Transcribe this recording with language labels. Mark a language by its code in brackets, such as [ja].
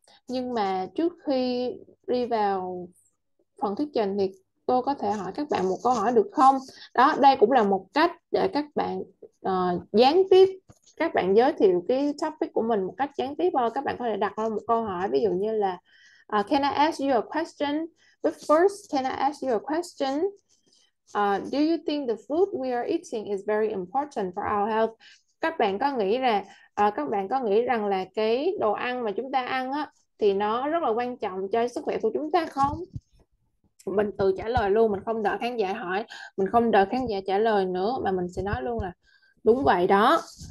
[vi] Nhưng mà trước khi đi vào phần thuyết trình thì tôi có thể hỏi các bạn một câu hỏi được không? Đó, đây cũng là một cách để các bạn gián tiếp, các bạn giới thiệu cái topic của mình một cách gián tiếp thôi. Các bạn có thể đặt một câu hỏi, ví dụ như là [en] can I ask you a question? But first, can I ask you a question? Do you think the food we are eating is very important for our health? [vi] Các bạn có nghĩ là các bạn có nghĩ rằng là cái đồ ăn mà chúng ta ăn á thì nó rất là quan trọng cho sức khỏe của chúng ta không? Mình tự trả lời luôn, mình không đợi khán giả hỏi, mình không đợi khán giả trả lời nữa, mà mình sẽ nói luôn là đúng vậy đó.